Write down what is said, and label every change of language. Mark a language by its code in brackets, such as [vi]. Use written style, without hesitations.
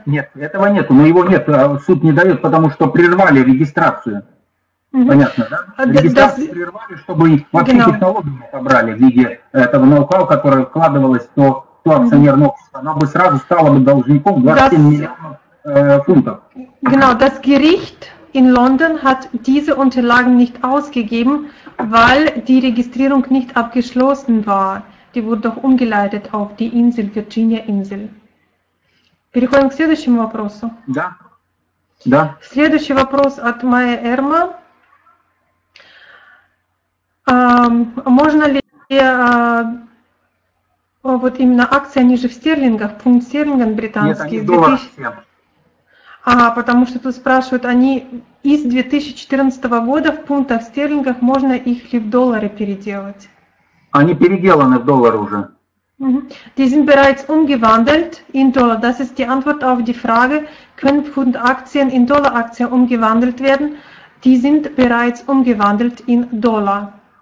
[ru] Нет, этого нет, но его нет, суд не дает, потому что прервали регистрацию. Понятно, да? Регистрацию прервали, чтобы вообще технологию не собрали в виде этого ноу-хау, которое вкладывалось в то акционерное общество. Оно бы сразу стало бы должником 27 миллионов фунтов. [de] Genau, das Gericht in London hat diese Unterlagen nicht ausgegeben, weil die Registrierung nicht abgeschlossen war. Die wurde doch umgeleitet auf die Insel, Virginia-Insel. [ru] Переходим к следующему вопросу. Да. Да. Следующий вопрос от Майя Эрма. Можно ли вот именно акции, они же в стерлингах, фунт стерлингов британский. Нет, они доллары все. Потому что тут спрашивают, они из 2014 года в фунтах стерлингах, можно их ли в доллары переделать? Они переделаны в доллары уже. [de] Die sind bereits umgewandelt in Dollar. Das ist die Antwort auf die Frage, können Pfund-Aktien in Dollar-Aktien umgewandelt werden? Die sind bereits umgewandelt in Dollar.